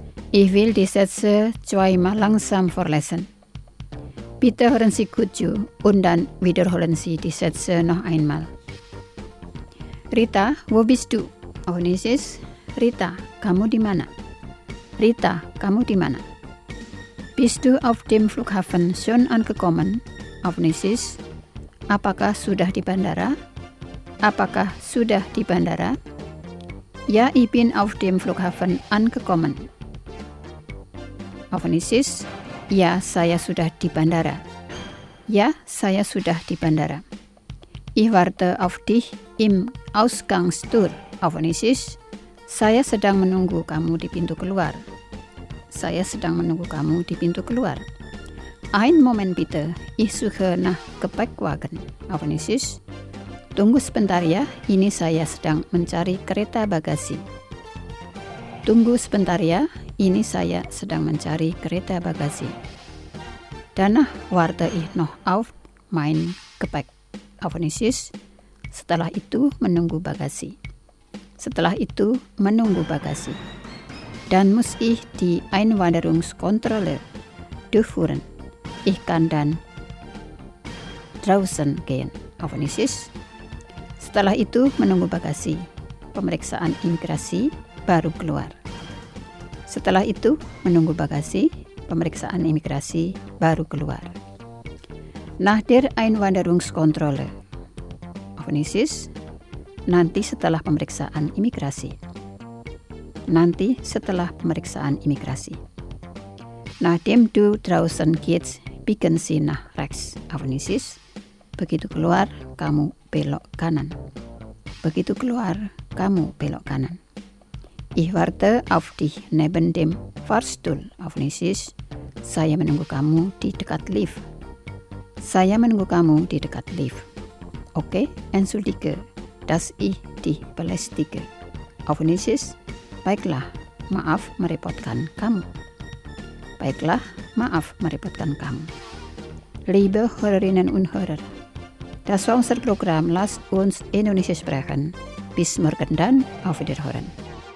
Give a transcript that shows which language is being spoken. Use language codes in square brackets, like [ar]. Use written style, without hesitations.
[de] Ich will die Sätze zweimal langsam vorlesen. Bitte hören Sie gut zu und dann wiederholen Sie die Sätze noch einmal. Rita, wo bist du? Auf Indonesisch? [id] Rita, kamu di mana? Rita, kamu di mana? [de] Bist du auf dem Flughafen schon angekommen? Auf Indonesisch? [id] Apakah sudah di bandara? Apakah sudah di bandara? [de] Ja, ich bin auf dem Flughafen angekommen. Auf Indonesisch? [id] Ja, saya sudah di bandara. Ja, saya sudah di bandara. [de] Ich warte auf dich im Ausgangstür. Auf Indonesisch? [id] Saya sedang menunggu kamu di pintu keluar. Saya sedang menunggu kamu di pintu keluar. [de] Ein Moment bitte, ich suche nach Gepäckwagen. Auf Indonesisch? [id] Tunggu sebentar ya, ini saya sedang mencari kereta bagasi. Tunggu sebentar ya, ini saya sedang mencari kereta bagasi. [de] Danach warte ich noch auf mein Gepäck. Auf Indonesisch? [id] Setelah itu menunggu bagasi. Setelah itu, menunggu bagasi. [de] Dan muss ich die Einwanderungskontrolle durchführen. Ich kann dann draußen gehen. Auf Indonesisch. [id] Setelah itu, menunggu bagasi. Pemeriksaan imigrasi baru keluar. Setelah itu, menunggu bagasi, pemeriksaan imigrasi, baru keluar. [de] Nachdem Einwanderungskontrolle. Auf Nisis. [id] Nanti setelah pemeriksaan imigrasi. Nanti setelah pemeriksaan imigrasi. [de] Nachdem du draußen gehst, biegen Sie nach rechts. Auf Nisis. [id] Begitu keluar, kamu belok kanan. Begitu keluar, kamu belok kanan. [de] Ich warte auf dich neben dem Fahrstuhl. Auf Nisis. [id] Saya menunggu kamu di dekat lift. Saya menunggu kamu di dekat lift. [de] Oke, okay, entschuldige, dass ich dich belästige. Auf Nisis. [id] Baiklah, maaf merepotkan kamu. Baiklah, maaf merepotkan kamu. [de] Liebe Hörerinnen und Hörer, das war unser Programm. Lasst uns Indonesisch sprechen. Bis morgen dann, auf Wiederhören.